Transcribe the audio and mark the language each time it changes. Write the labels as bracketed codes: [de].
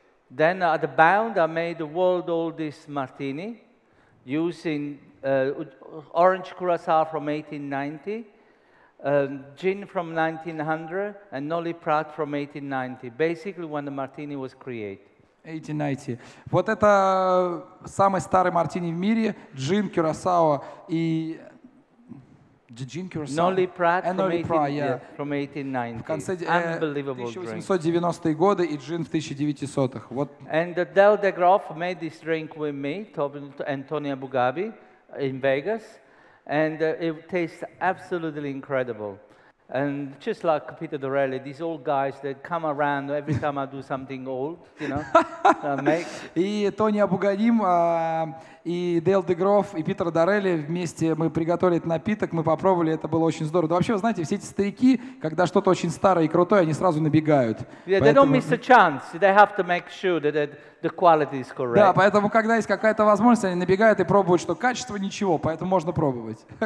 [en] Then at the Bound I made the world oldest martini using orange curacao from 1890, gin from 1900 and Noli Prat from 1890. Basically when the martini was created. 1890. [ru] Вот это самый старый мартини в мире, джин, кюрасао и [en] Джин Кюрасао. Noli Prat from 1890. From 1890. Unbelievable drink. [ru] 1890-е годы и джин в 1900-х. Вот. [en] And Del De Groff made this drink with me, Antonio Bugabi, in Vegas, and it tastes absolutely incredible. And just like Peter Dorelli, these old guys that come around every time I do something old, you know, make. [ru] И Тони Абугадим, и Дейл Дегров, и Питер Дорелли вместе мы приготовили этот напиток, мы попробовали, это было очень здорово. Да вообще, вы знаете, все эти старики, когда что-то очень старое и крутое, они сразу набегают. [en] Yeah, [ru] поэтому... [en] they don't miss a chance. They have to make sure that the quality is correct. [ru] Да, поэтому, когда есть какая-то возможность, они набегают и пробуют, что качество ничего, поэтому можно пробовать.